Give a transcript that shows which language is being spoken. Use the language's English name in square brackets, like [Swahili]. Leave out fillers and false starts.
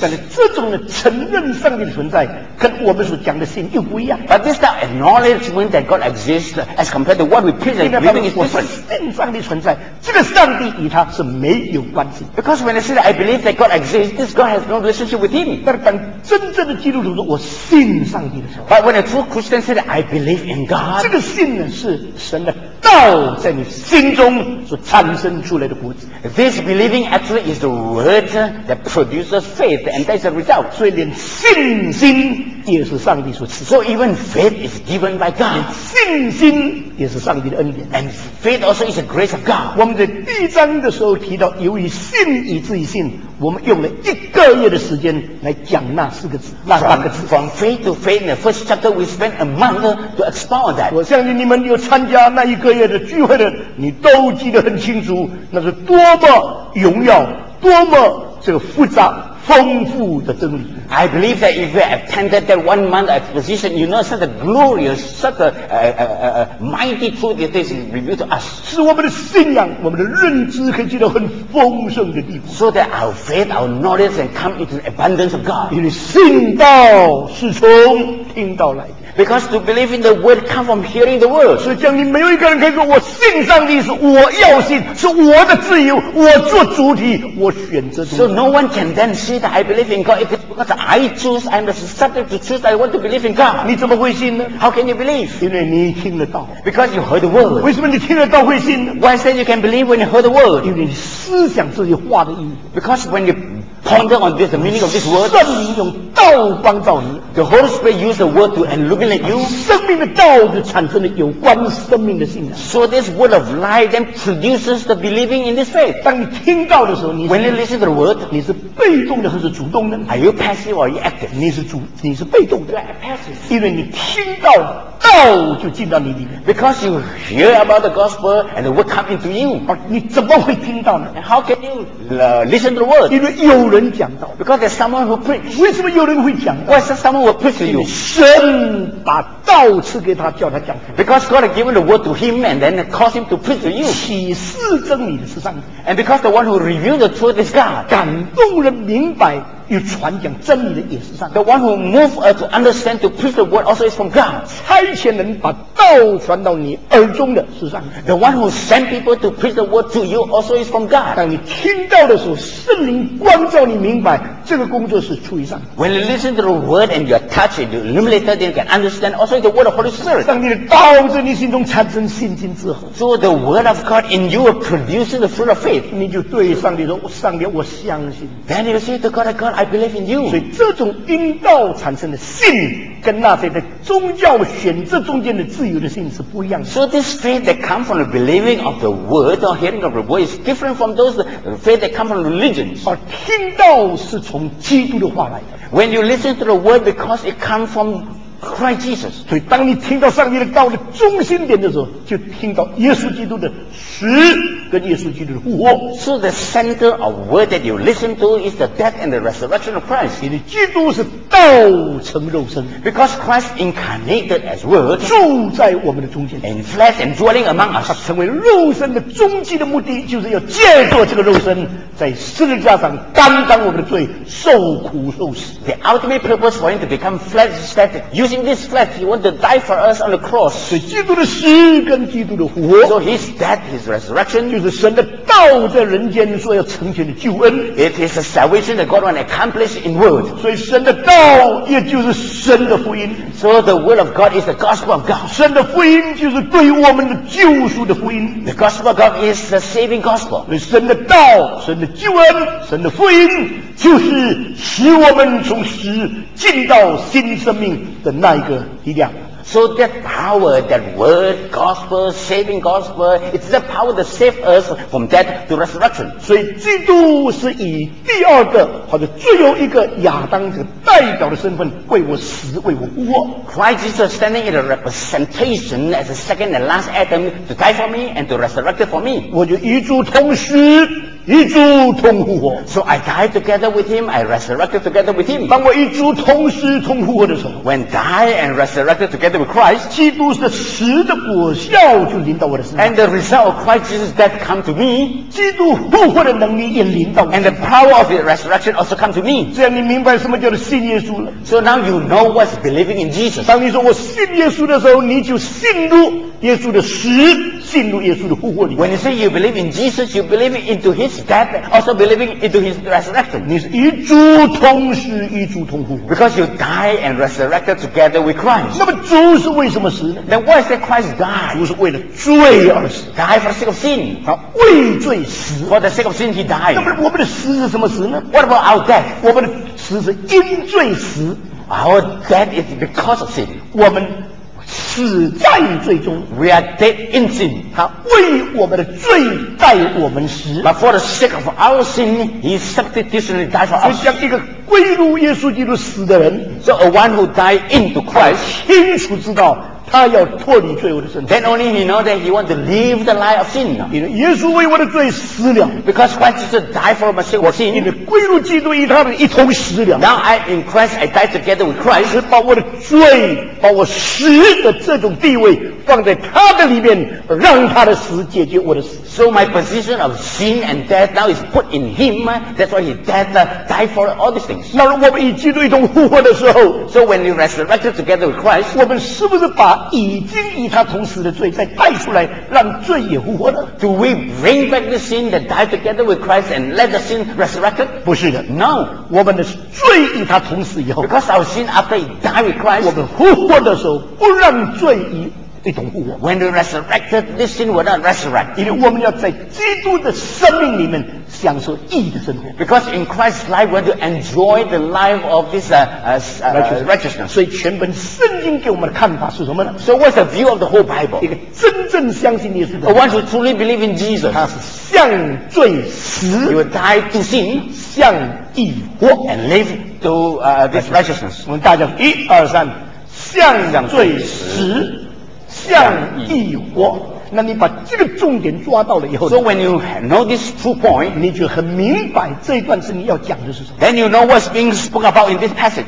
[Chinese] 但是这种的承认上帝的存在跟我们所讲的信又不一样。 [English] But this the acknowledgement that God exists as compared to what we preach and believe is different. [Chinese] 圣上帝存在，这个上帝与他是没有关系。 [English] Because when I say that I believe that God exists, this God has no relationship with him. [Chinese] 但当真正的基督徒说我信上帝的时候 [English] ，But when a true Christian says that I believe in God, [Chinese] 这个信呢是神的道在你心中所产生出来的果子。 [English] This believing actually is the word that produces faith and that's the result. [Chinese] 所以连信心也是上帝所赐。 [English] So even faith is given by God. [Chinese] 连信心也是上帝的恩典。 [English] And faith also is a grace of God. [Chinese] 我们在第一章的时候提到，由于信以至于信，我们用了一个月的时间来讲那四个字，那三个字。 [English] From faith to faith, in the first chapter, we spent a month to explore that. [Chinese] 我相信你们有参加那一个月的聚会的，你都记得很清楚，那是多么荣耀，多么这个复杂。丰富的真理。 [English] I believe that if you attended that 1 month exposition, you know such a glorious, such a mighty truth that is revealed to us. [Chinese] 使我们的信仰、我们的认知可以进到很丰盛的地步。 [English] So that our faith, our knowledge, and come into the abundance of God. [Chinese] 因为信道是从听道来的。 [English] Because to believe in the word come from hearing the word. [Chinese] 所以讲你没有一个人可以说我信上帝是我要信，是我的自由，我做主体，我选择主体。 [English] So no one can then say that I believe in God. It is because I choose, I'm the subject to choose, I want to believe in God. [Chinese] 你怎么会信呢？ [English] How can you believe? [Chinese] 因为你听得到。 [English] Because you heard the word. [Chinese] 为什么你听得到会信呢？ [English] Why say you can believe when you heard the word? [Chinese] 因为你思想这些话的意义。 [English] Because when you ponder on this, the meaning of this word. [Chinese] 圣灵用道帮助你。 [English] The Holy Spirit used the word to illuminate you. [Chinese] 生命的道就产生了有关生命的信仰。 [English] So this word of life then produces the believing in this faith. [Chinese] 当你听到的时候，你 [English] When you listen to the word, [Chinese] 你是被动的还是主动的？ [English] Are you passive or are you active? [Chinese] 你是主，你是被动的。 [English] You are passive. [Chinese] 因为你听到道就进到你里面。 [English] Because you hear about the gospel and the word come into you. [Chinese] 你怎么会听到呢？ [English] How can you listen to the word? [Chinese] 因为有人讲道。 [English] Because there's someone who preaches. [Chinese] 为什么有人会讲道？ [English] Why is someone who preaches you? [Chinese] 神把道赐给他，叫他讲。 [English] Because God has given the word to him and then caused him to preach to you. [Chinese] 启示真理的是上帝。 [English] And because the one who revealed the truth is God. [Chinese] 感动人明白。又传讲真理的也是上帝。 [English] The one who moved us to understand to preach the word also is from God. [Chinese] 差遣人把道传到你耳中的是上帝。 [English] The one who sent people to preach the word to you also is from God. [Chinese] 当你听到的时候，圣灵光照你明白这个工作是出于上帝。 [English] When you listen to the word and you are touched, you illuminated, then you can understand also the word of Holy Spirit. [Chinese] 上帝的道在你心中产生信心之后 [English] ，So the word of God in you produces the fruit of faith. [Chinese] 你就对上帝说：“上帝，我相信。” [English] Then you say to God, God. I believe in you. [Chinese] 所以这种因道产生的信跟那些的宗教选择中间的自由的性是不一样的。 [English] So this faith that comes from the believing of the word or hearing of the word is different from those faith that come from religions. [Chinese] 而听到是从基督的话来的。 [English] When you listen to the word, because it comes from Christ Jesus. [Chinese] 所以当你听到上帝的道的中心点的时候，就听到耶稣基督的死跟耶稣基督的复活。 [English] So the center of word that you listen to is the death and the resurrection of Christ. [Chinese] 因为基督是道成肉身。 [English] Because Christ incarnated as word [Chinese] 住在我们的中间。 [English] In flesh and dwelling among us. [Chinese] 他成为肉身的终极的目的，就是要借着这个肉身在十字架上担当我们的罪，受苦受死。 [English] The ultimate purpose for him to become flesh is that using this flesh, he wanted to die for us on the cross. [Chinese] 所以基督的死跟基督的复活。 [English] So his death, his resurrection. [Chinese] 就是神的道在人间所要成全的救恩。 [English] It is the salvation that God wants to accomplish in word. [Chinese] 所以神的道也就是神的福音。 [English] So the word of God is the gospel of God. [Chinese] 神的福音就是对我们的救赎的福音。 [English] The gospel of God is the saving gospel. [Chinese] 所以神的道、神的救恩、神的福音就是使我们从死进到新生命的那一个力量。 [English] So that power, that word, gospel, saving gospel, it's the power that saves us from death to resurrection. [Chinese] 所以基督是以第二个或者最后一个亚当这个代表的身份为我死，为我复活。 [English] Christ Jesus standing in a representation as the second and last Adam to die for me and to resurrect for me. [Chinese] 我就与主同死，与主同复活。 [English] So I died together with him, I resurrected together with him. [Chinese] 当我与主同死同复活的时候 [English] ，When die and resurrected together with Christ, [Chinese] 基督的死的果效就临到我的身上。 [English] And the result of Christ Jesus' death come to me, [Chinese] 基督复活的能力也临到我。 [English] And the power of the resurrection also come to me. [Chinese] 这样你明白什么叫做信耶稣了。 [English] So now you know what's believing in Jesus. [Chinese] 当你说我信耶稣的时候，你就信入耶稣的死，信入耶稣的复活里。 [English] When you say you believe in Jesus, you believe into his death, also believing into his resurrection. [Chinese] 你是与主同死，与主同复活。 [English] Because you die and resurrected together with Christ. [Chinese] 那么主是为什么死呢 [English] ？Then why is that Christ died? [Chinese] 主是为了罪而死 [English] ，die for the sake of sin. [Chinese] 他为罪死 [English] ，for the sake of sin he died. [Chinese] 那么我们的死是什么死呢 [English] ？What about our death? [Chinese] 我们的死是因罪死 [English] ，our death is because of sin. [Chinese] 我们死在罪中 [English] ，we are dead in sin. [Chinese] 他为我们的罪代我们死 [English] ，but for the sake of our sin he substitutionally died for us. [Chinese] 所以将一个归入耶稣基督死的人 [English] ，so a one who died into Christ [Chinese] 清楚知道他要脱离罪恶的身体。 [English] Then only he know that he want to leave the life of sin. [Chinese] 因为耶稣为我的罪死了 [English] ，because Christ Jesus died for my sin. [Chinese] 我因为归入基督与他们一同死了。 [English] Now I in Christ I die together with Christ. [Chinese] 是把我的罪，把我死的这种地位放在他的里面，让他的死解决我的死。 [English] So my position of sin and death now is put in him. That's why he died for all these things. [Chinese] 那我们与基督一同复活的时候 [English] ，So when we resurrected together with Christ， [Chinese] 我们是不是把已经与他同死的罪再带出来，让罪也复活呢 [English] ？Do we bring back the sin that died together with Christ and let the sin resurrected？ [Chinese] 不是的 [English] ，No， [Chinese] 我们的罪与他同死以后 [English] ，Because our sin after he died with Christ， [Chinese] 我们复活的时候不让罪与一同复活。 [English] When we resurrected, this sin will not resurrect. [Chinese] 因为我们要在基督的生命里面享受义的生活。 [English] Because in Christ's life, we're to enjoy the life of this righteousness. [Chinese] 所以全本圣经给我们的看法是什么呢 [English] ？So what's the view of the whole Bible? [Chinese] 一个真正相信耶稣的 [English] ，A one who truly believe in Jesus. [Chinese] 他是向罪死 [English] ，You will die to sin. [Chinese] 向义活 [English] ，And live to this righteousness. [Chinese] 我们大家一二三，向罪死。向义活，那你把这个重点抓到了以后 [English] ，So when you know this true point， [Chinese] 你就很明白这一段是你要讲的是什么。 [English] Then you know what's being spoken about in this passage。